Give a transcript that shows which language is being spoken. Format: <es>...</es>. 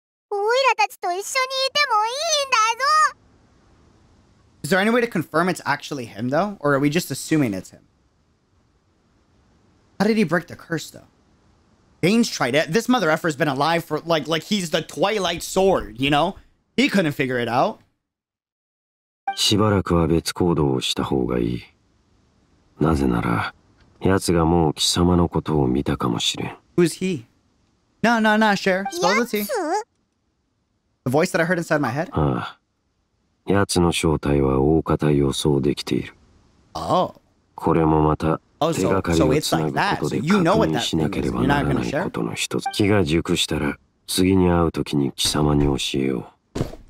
<ja>オイラたちと一緒にいてもいいんだぞ。</ja> <en>Is there any way to confirm it's actually him though? Or are we just assuming it's him? How did he break the curse though? Dane's tried it. This mother effer's been alive for like he's the Twilight Sword, you know? He couldn't figure it out.</en> <ja>しばらくは別行動をした方がいい。なぜなら、奴がもう貴様のことを見たかもしれん。</ja> <en>Who's he? No, Cher. Spill the tea. The voice that I heard inside my head?</en> <ja>ああ。奴の正体は大方予想できている。</ja> <en>Oh.</en> <ja>これもまた、</ja> <en>Oh, so it's like that. So you know what that thing is. You're not gonna share.</en> <ja>気が熟したら次に会うときに貴様に教えよう。</ja>